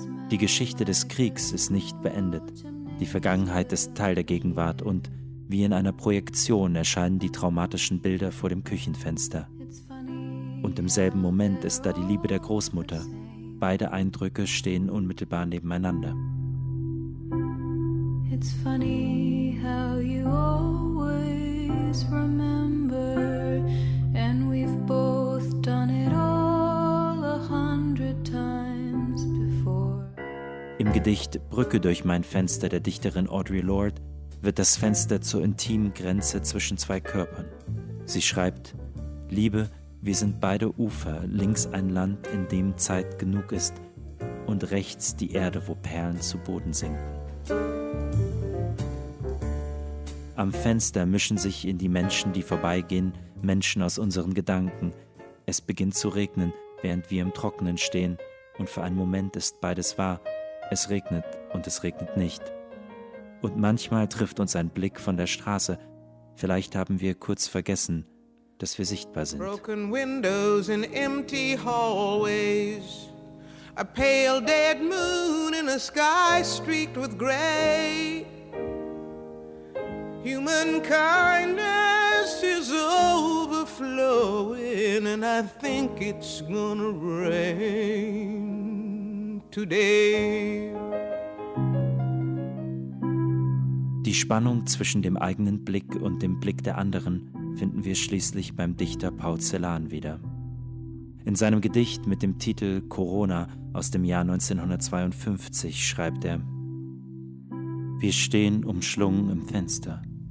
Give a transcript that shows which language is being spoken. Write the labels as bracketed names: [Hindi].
[German] Die Geschichte des Kriegs ist nicht beendet, die Vergangenheit ist Teil der Gegenwart und wie in einer Projektion erscheinen die traumatischen Bilder vor dem Küchenfenster. Und im selben Moment ist da die Liebe der Großmutter. Beide Eindrücke stehen unmittelbar nebeneinander. [English] It's funny how you always remember, and we've both done it all 100 times before. [German] Im Gedicht »Brücke durch mein Fenster« der Dichterin Audre Lorde wird das Fenster zur intimen Grenze zwischen zwei Körpern. Sie schreibt: »Liebe, wir sind beide Ufer, links ein Land, in dem Zeit genug ist, und rechts die Erde, wo Perlen zu Boden sinken.« Am Fenster mischen sich in die Menschen, die vorbeigehen, Menschen aus unseren Gedanken. Es beginnt zu regnen, während wir im Trockenen stehen. Und für einen Moment ist beides wahr. Es regnet und es regnet nicht. Und manchmal trifft uns ein Blick von der Straße. Vielleicht haben wir kurz vergessen, dass wir sichtbar sind. [English] Broken windows in empty hallways. A pale dead moon in a sky streaked with gray. Human kindness is overflowing, and I think it's gonna rain today. [German] Die Spannung zwischen dem eigenen Blick und dem Blick der anderen finden wir schließlich beim Dichter Paul Celan wieder. In seinem Gedicht mit dem Titel »Corona« aus dem Jahr 1952 schreibt er: »Wir stehen umschlungen im Fenster.